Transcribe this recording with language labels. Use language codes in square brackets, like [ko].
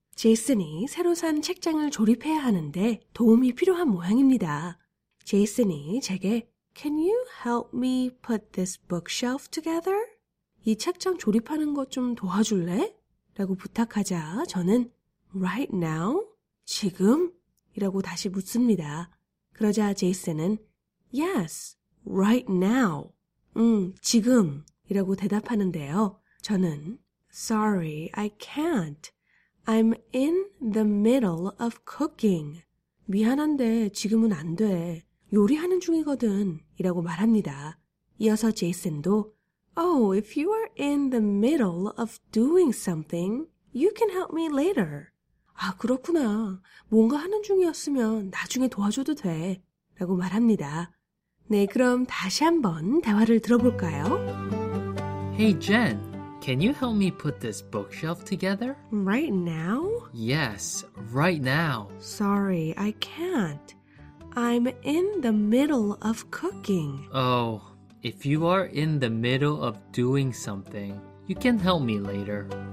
[ko] Jason이 새로 산 책장을 조립해야 하는데 도움이 필요한 모양입니다. [en] Jason이 [ko] 제게 [en] Can you help me put this bookshelf together? [ko] 이 책장 조립하는 것 좀 도와줄래? 라고 부탁하자 저는 [en] Right now? [ko] 지금? 이라고 다시 묻습니다. 그러자 제이슨은 [en] Yes, right now. [ko] 지금 이라고 대답하는데요. 저는 [en] Sorry, I can't. I'm in the middle of cooking. [ko] 미안한데 지금은 안 돼. 요리하는 중이거든 이라고 말합니다. 이어서 제이슨도 [en] Oh, if you are in the middle of doing something, you can help me later. [ko] 아, 그렇구나. 뭔가 하는 중이었으면 나중에 도와줘도 돼. 라고 말합니다. 네, 그럼 다시 한번 대화를 들어볼까요? [en] Hey, Jen, can you help me put this bookshelf together? Right now? Yes, right now. Sorry, I can't. I'm in the middle of cooking. Oh, if you are in the middle of doing something, you can help me later.